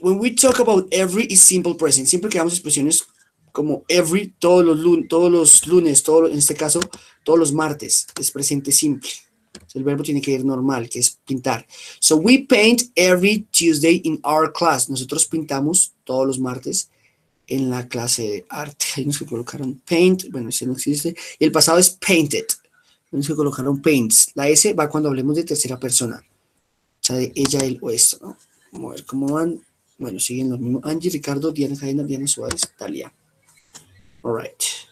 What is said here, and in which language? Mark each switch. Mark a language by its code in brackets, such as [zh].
[en] When we talk about every, it's simple present. [es] Siempre que damos expresiones como every, todos los lunes, en este caso, todos los martes, es presente simple. El verbo tiene que ir normal, que es pintar. [en] So we paint every Tuesday in our class. [es] Nosotros pintamos todos los martes en la clase de arte. Hay unos que colocaron paint, bueno, ese no existe, y el pasado es painted. Hay unos que colocaron paints, la S va cuando hablemos de tercera persona, o sea, de ella, él o esto, ¿no? Vamos a ver cómo van. Bueno, siguen los mismos. Angie, Ricardo, Diana Jaena, Diana Suárez, Talia. All right.